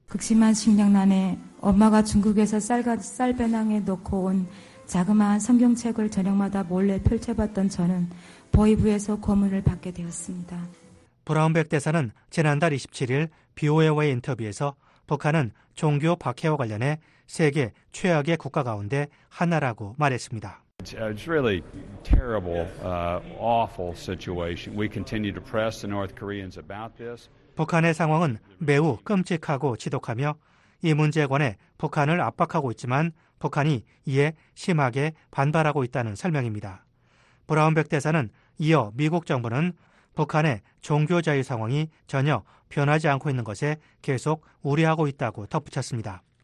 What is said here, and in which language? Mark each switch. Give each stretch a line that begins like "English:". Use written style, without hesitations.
Korean: 극심한 식량난에 엄마가 중국에서 쌀배낭에 넣고 온 자그마한 성경책을 저녁마다 몰래 펼쳐봤던 저는 보위부에서 고문을 받게 되었습니다. 브라운백 대사는 지난달 27일 BOA와의 인터뷰에서 북한은 종교 박해와 관련해 세계 최악의 국가 가운데 하나라고 말했습니다.
English: It's really terrible, awful situation. We continue to press the North Koreans about this.
Korean: 북한의 상황은 매우 끔찍하고 지독하며 이 문제에 관해 북한을 압박하고 있지만 북한이 이에 심하게 반발하고 있다는 설명입니다. 브라운백 대사는 이어 미국 정부는 북한의 종교 자유 상황이 전혀 변하지 않고 있는 것에 계속 우려하고 있다고 덧붙였습니다.